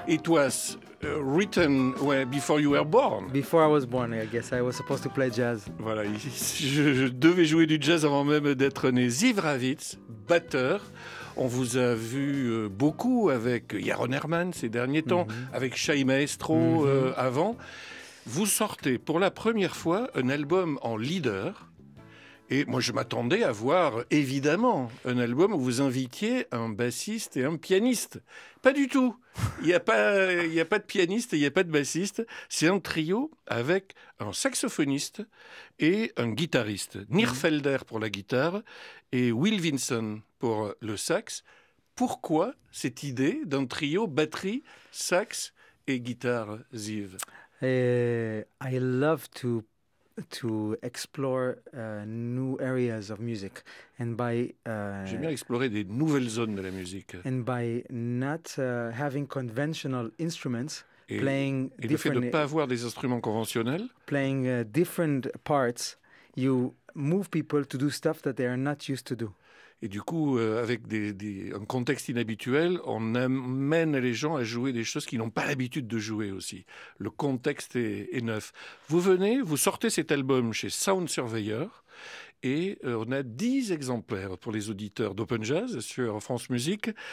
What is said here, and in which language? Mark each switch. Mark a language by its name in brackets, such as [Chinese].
[English] It was written before you were born. Before I was born, I guess I was supposed to play jazz. [French] Voilà, je devais jouer du jazz avant même d'être né. Ziv Ravitz, batteur. On vous a vu beaucoup avec Yaron Herman ces derniers temps, mm-hmm. avec Shai Maestro mm-hmm. Avant. Vous sortez pour la première fois un album en leader. Et moi, je m'attendais à voir, évidemment, un album où vous invitiez un bassiste et un pianiste. Pas du tout. Il n'y a pas de pianiste et il n'y a pas de bassiste. C'est un trio avec un saxophoniste et un guitariste. Nierfelder pour la guitare et Will Vinson pour le sax. Pourquoi cette idée d'un trio batterie, sax et guitare, Ziv? [English] I love to explore new areas of music and by [French] j'aime bien explorer des nouvelles zones de la musique [English] and by not having conventional instruments et, playing [French] et different, le fait de pas avoir des instruments conventionnels [English] playing different parts you move people to do stuff that they are not used to do. [French] Et du coup avec un contexte inhabituel on amène les gens à jouer des choses qu'ils n'ont pas l'habitude de jouer aussi. Le contexte est neuf. Vous sortez cet album chez Sound Surveyor et on a 10 exemplaires pour les auditeurs d'Open Jazz sur France Musique.